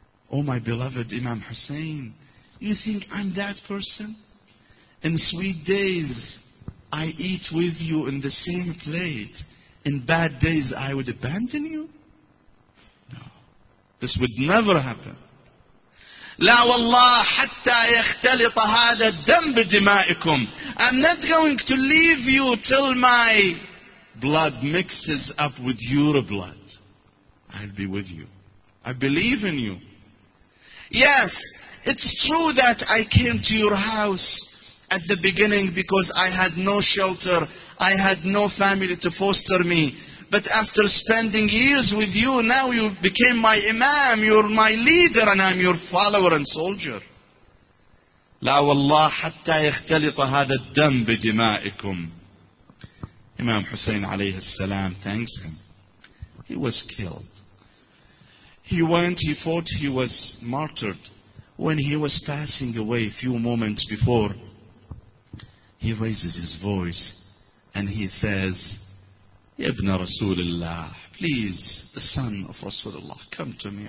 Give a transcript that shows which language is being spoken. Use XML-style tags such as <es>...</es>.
<en>Oh, my beloved Imam Hussein, you think I'm that person? In sweet days, I eat with you in the same plate. In bad days, I would abandon you? No. This would never happen.</en> <ar>لا والله حتى يختلط هذا الدم بدمائكم.</ar> <en>I'm not going to leave you till my blood mixes up with your blood. I'll be with you. I believe in you. Yes, it's true that I came to your house at the beginning because I had no shelter. I had no family to foster me. But after spending years with you, now you became my imam, you're my leader, and I'm your follower and soldier.</en> <ar>لا والله حتى يختلط هذا الدم بدمائكم.</ar> <en>Imam Hussein عليه السلام thanks him. He was killed. He went, he fought, he was martyred. When he was passing away a few moments before, he raises his voice and he says, Ibn Rasulullah, please, the son of Rasulullah, come to me.</en>